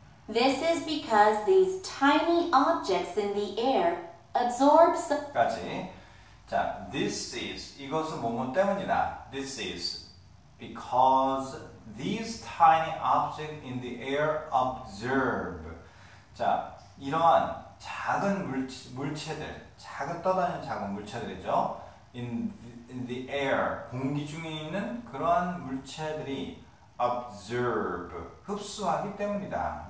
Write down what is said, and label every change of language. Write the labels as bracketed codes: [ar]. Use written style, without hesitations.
[en] This is because these tiny objects in the air absorb... [ko] 까지. 자, [en] this is, [ko] 이것은 뭐뭐 때문이다. [en] This is because these tiny objects in the air absorb. [ko] 자, 이러한 작은 물체들, 작은 떠다니는 작은 물체들이죠. [en] In the air, [ko] 공기 중에 있는 그러한 물체들이 absorb, 흡수하기 때문이다.